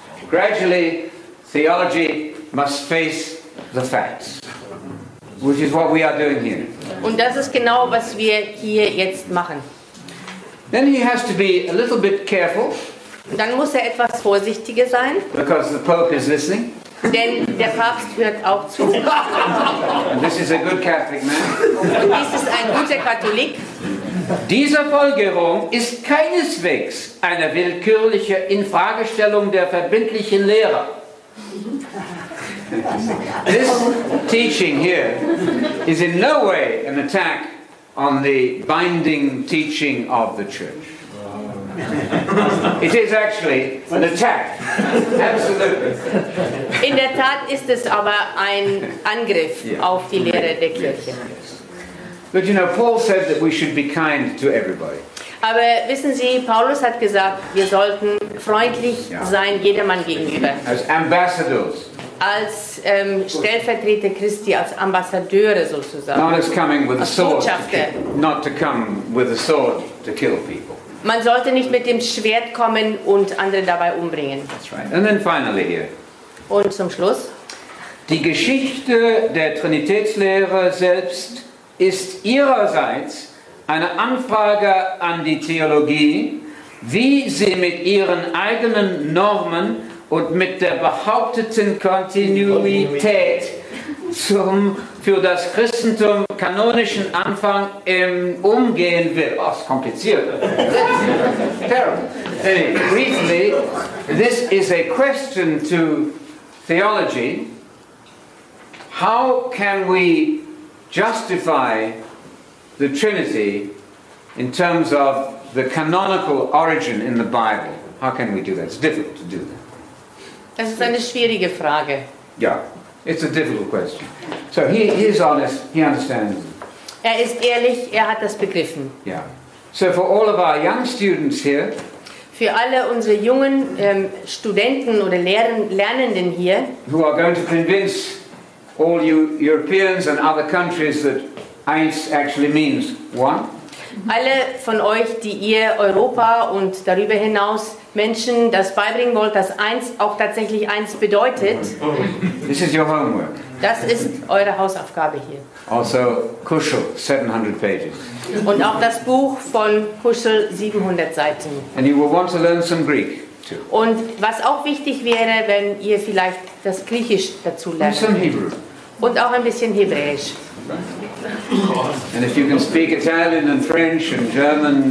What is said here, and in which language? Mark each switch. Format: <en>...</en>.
<en>Gradually, theology must face the facts, which is what we are doing here.</en> <de>Und das ist genau, was wir hier jetzt machen.</de> <en>Then he has to be a little bit careful.</en> <de>Dann muss er etwas vorsichtiger sein.</de> <en>Because the Pope is listening.</en> <de>Denn der Papst hört auch zu.</de> <en>And this is a good Catholic man.</en> <de>Und dies ist ein guter Katholik. Diese Folgerung ist keineswegs eine willkürliche Infragestellung der verbindlichen Lehre.</de> <en>This teaching here is in no way an attack on the binding teaching of the Church. It is actually an attack. Absolutely.</en> <de>In der Tat ist es aber ein Angriff auf die Lehre der Kirche.</de> <en>But you know, Paul said that we should be kind to everybody.</en> <de>Aber wissen Sie, Paulus hat gesagt, wir sollten freundlich sein jedermann gegenüber.</de> <en>As ambassadors.</en> <de>Als Stellvertreter Christi, als Ambassadeure sozusagen. Als Botschafter.</de> <en>Not to come with a sword to kill people.</en> <de>Man sollte nicht mit dem Schwert kommen und andere dabei umbringen.</de> <en>That's right. And then finally here.</en> <de>Und zum Schluss. Die Geschichte der Trinitätslehre selbst ist ihrerseits eine Anfrage an die Theologie, wie sie mit ihren eigenen Normen und mit der behaupteten Kontinuität zum für das Christentum kanonischen Anfang umgehen will. Oh, ist kompliziert.</de> <en>Terrible. Anyway, briefly, this is a question to theology. How can we justify the Trinity in terms of the canonical origin in the Bible? How can we do that? It's difficult to do that.</en> <de>Das ist eine schwierige Frage.</de> <en>Yeah, it's a difficult question. So he is honest, he understands.</en> <de>Er ist ehrlich, er hat das begriffen. Yeah.</de> <en>So for all of our young students here,</en> <de>für alle unsere jungen Studenten oder Lernenden hier,</de> <en>who are going to convince all you Europeans and other countries that eins actually means one.</en> <de>Alle von euch, die ihr Europa und darüber hinaus Menschen das beibringen wollt, dass eins auch tatsächlich eins bedeutet.</de> <en>This is your homework.</en> <de>Das ist eure Hausaufgabe hier.</de> <en>Also Kuschel, 700 pages.</en> <de>Und auch das Buch von Kuschel, 700 Seiten.</de> <en>And you will want to learn some Greek.</en> <de>Und was auch wichtig wäre, wenn ihr vielleicht das Griechisch dazu lernt.</de> <en>Some Hebrew.</en> <de>Und auch ein bisschen Hebräisch.</de> <en>And if you can speak Italian and French and German,</en>